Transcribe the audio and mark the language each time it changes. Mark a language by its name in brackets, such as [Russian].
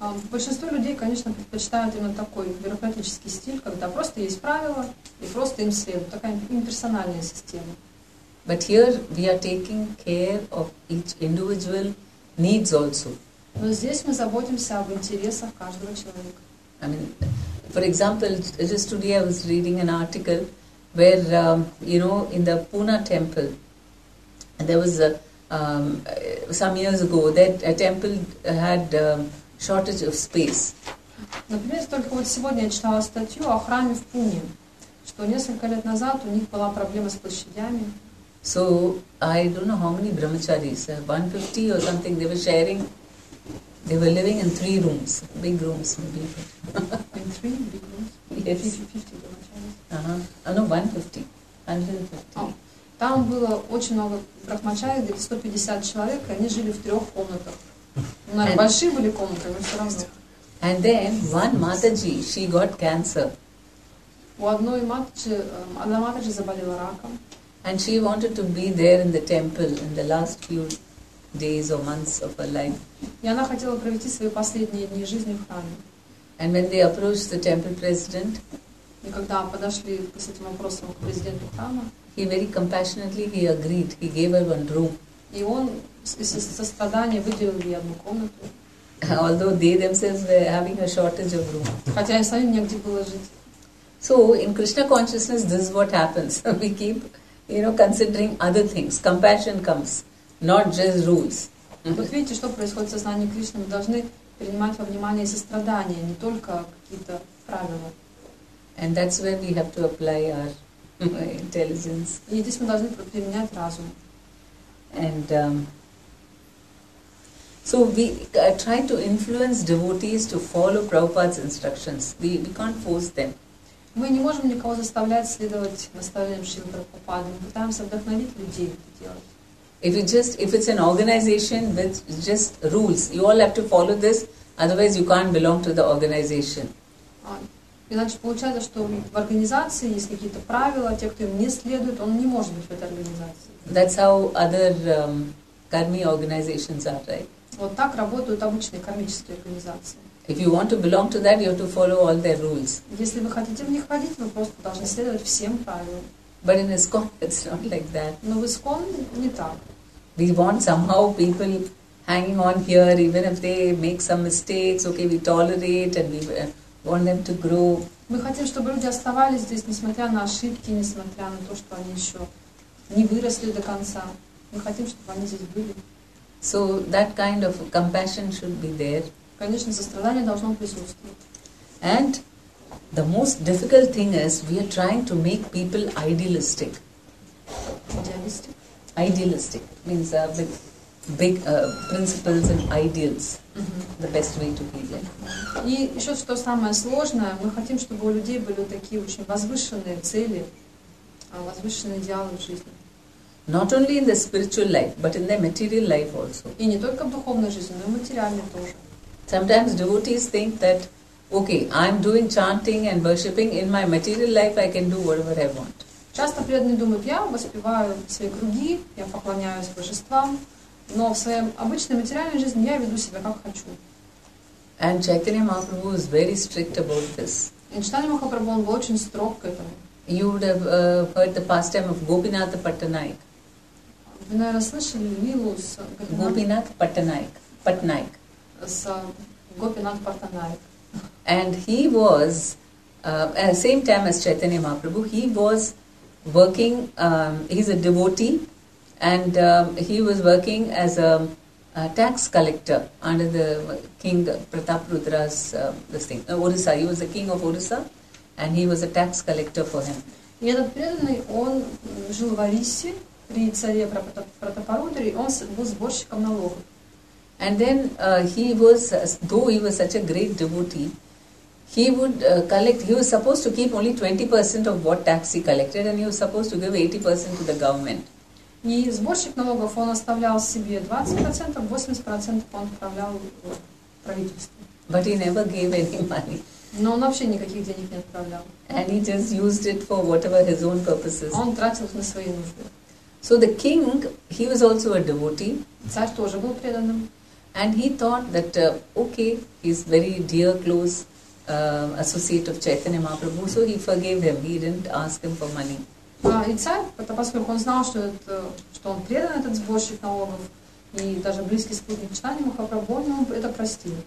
[Russian] Большинство людей, конечно, предпочитают именно такой бюрократический стиль, когда просто есть правила и просто им следуют. Такая имперсональная система. [English] But here we are taking care of each individual needs also. [Russian] Но здесь мы заботимся об интересах каждого человека. [English] I mean, for example, just today I was reading an article where, in the Pune temple, there was some years ago that a temple had shortage of space. [Russian] Например, только вот сегодня я читала статью о храме в Пуне, что несколько лет назад у них была проблема с площадями. [English] So I don't know how many brahmacharis, 150 or something, they were sharing. They were living in three rooms, big rooms maybe. In three big rooms? Yes. 50 brahmacharis? Uh-huh. Oh, no, 150. 150. [Russian] Oh. Там было очень много брахмачарис, 150 человек, они жили в трех комнатах. Большие были комнаты, но все равно. [English] And then one Mataji, she got cancer. [Russian] У одной Матаджи, одна Матаджи заболела раком. [English] And she wanted to be there in the temple in the last few days or months of her life. [Russian] И она хотела провести свои последние дни жизни в храме. [English] And when they approached the temple president, [Russian] и когда подошли с этим вопросом к президенту храма, [English] he very compassionately he agreed. He gave her one room. [Russian] И он со страданием выделил ей одну комнату. [English] Although they themselves were having a shortage of room. [Russian] Хотя и сами негде было жить. [English] So in Krishna consciousness, this is what happens. We keep considering other things. Compassion comes, not just rules. [Russian] Вот видите, что происходит в сознании Кришны. Мы должны принимать во внимание сострадание, не только какие-то правила. [English] And that's where we have to apply our intelligence. [Russian] И здесь мы должны применять разум. [English] And so we try to influence devotees to follow Prabhupada's instructions. We can't force them. [Russian] Мы не можем никого заставлять следовать наставлениям Шрилы Прабхупады. Мы пытаемся вдохновить людей это делать. [English] If it's an organization with just rules, you all have to follow this, otherwise you can't belong to the organization. [Russian] Иначе получается, что в организации есть какие-то правила, те, кто им не следует, он не может быть в этой организации. [English] That's how other karmi organizations are, right? [Russian] Вот так работают обычные кармические организации. [English] If you want to belong to that, you have to follow all their rules. [Russian] Если вы хотите в них ходить, вы просто должны следовать всем правилам. [English] But in ISKCON, it's not like that. [Russian] Но в ISKCON не так. [English] We want somehow people hanging on here, even if they make some mistakes. Okay, we tolerate and we want them to grow. [Russian] Мы хотим, чтобы люди оставались здесь, несмотря на ошибки, несмотря на то, что они еще не выросли до конца. Мы хотим, чтобы они здесь были. [English] So that kind of compassion should be there. [Russian] Конечно, сострадание должно присутствовать. [English] And The most difficult thing is we are trying to make people idealistic. Idealistic? Idealistic means with big principles and ideals. Mm-hmm. The best way to be there. [Russian] И еще что самое сложное, мы хотим, чтобы у людей были такие очень возвышенные цели, возвышенные идеалы в жизни. [English] Not only in the spiritual life, but in the material life also. [Russian] И не только в духовной жизни, но и в материальной тоже. [English] Sometimes devotees think that, okay, I'm doing chanting and worshipping in my material life, I can do whatever I want. [Russian] Часто преданные думают, я воспеваю свои круги, я поклоняюсь божествам, но в своей обычной материальной жизни я веду себя как хочу. [English] And Chaitanya Mahaprabhu is very strict about this. [Russian] И Чайтанья Махапрабху, он был очень строг к этому. [English] You would have heard the pastime of Gopinath Patnaik. [Russian] Вы, наверное, слышали лилу с [English] Gopinath Patnaik. Patnaik. [Russian] С Gopinath Patnaik. [English] And he was at the same time as Chaitanya Mahaprabhu, he was working, he's a devotee, and he was working as a tax collector under the King Pratap Rudra's this thing. Orissa. He was the king of Orissa. And he was a tax collector for him. [Russian] И этот преданный, он жил в Орисе при царе Пратапарудре, он был сборщиком налогов. [English] And then he was, though he was such a great devotee, he would collect, he was supposed to keep only 20% of what tax he collected, and he was supposed to give 80% to the government. [Russian] И сборщик налогов, он оставлял себе 20%, 80% он отправлял в правительство. [English] But he never gave any money. [Russian] Но он вообще никаких денег не отправлял. [English] And he just used it for whatever his own purposes. [Russian] Он тратил их на свои нужды. [English] So the king, he was also a devotee. [Russian] Царь тоже был преданным. [English] And he thought that, okay, he's very dear, close associate of Chaitanya Mahaprabhu, so he forgave him. He didn't ask him for money. [Russian] И царь, поскольку он знал, что, это, что он предан, этот сборщик налогов, и даже близкий спутник Чайтанья Махапрабху, он это простил.